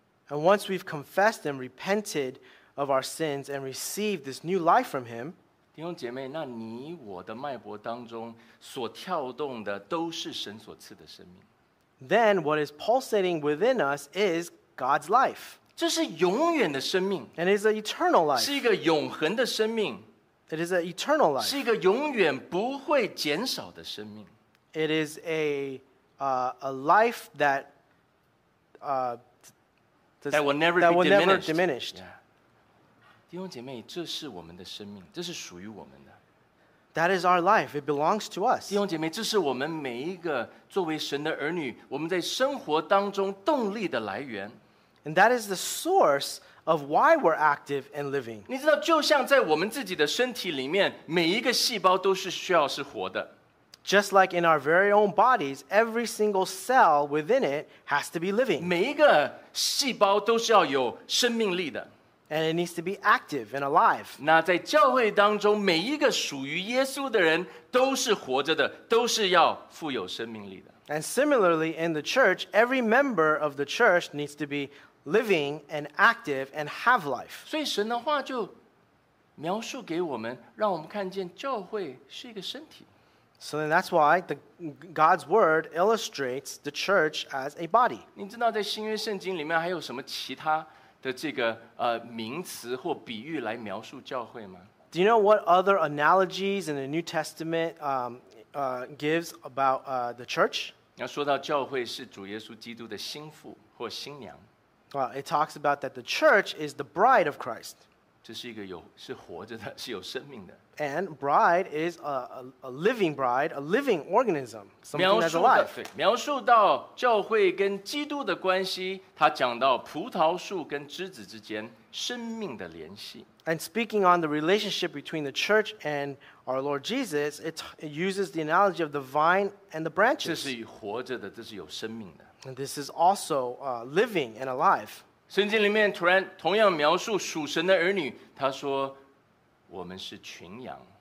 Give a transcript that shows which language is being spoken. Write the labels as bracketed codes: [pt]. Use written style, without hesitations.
[en] And once we've confessed and repented of our sins and received this new life from Him, [zh] 弟兄姐妹，那你我的脉搏当中所跳动的都是神所赐的生命。 [en] Then what is pulsating within us is God's life. [zh] 这是永远的生命。 [en] And it's an eternal life. [zh] 是一个永恒的生命。 [en] It is an eternal life. [zh] 是一个永远不会减少的生命。 [en] It is a life that, that will never that be will diminished. Never diminished. Yeah. [zh] 弟兄姐妹，这是我们的生命，这是属于我们的。 [en] That is our life. It belongs to us. [zh] 弟兄姐妹，这是我们每一个作为神的儿女，我们在生活当中动力的来源。 [en] And that is the source of why we're active and living. [zh] 你知道，就像在我们自己的身体里面，每一个细胞都是需要是活的。 [en] Just like in our very own bodies, every single cell within it has to be living. [zh] 每一个细胞都是要有生命力的。 [en] And it needs to be active and alive. [zh] 那在教会当中，每一个属于耶稣的人都是活着的，都是要富有生命力的。 [en] And similarly, in the church, every member of the church needs to be living and active and have life. [zh] 所以神的话就描述给我们，让我们看见教会是一个身体。 [en] So then that's why God's word illustrates the church as a body. [zh] 你知道在新约圣经里面还有什么其他的这个名词或比喻来描述教会吗？ [en] Do you know what other analogies in the New Testament gives about the church? [zh] 要说到教会是主耶稣基督的心腹或新娘。 [en] It talks about that the church is the bride of Christ. [zh] 这是一个是活着的，是有生命的。 [en] And bride is a living bride, a living organism, something that's alive. [zh] 描述到教会跟基督的关系，他讲到葡萄树跟枝子之间生命的联系。 [en] And speaking on the relationship between the church and our Lord Jesus, it uses the analogy of the vine and the branches. [zh] 这是活着的，这是有生命的。 [en] And this is also living and alive. [zh] 圣经里面突然同样描述属神的儿女，他说我们是群羊。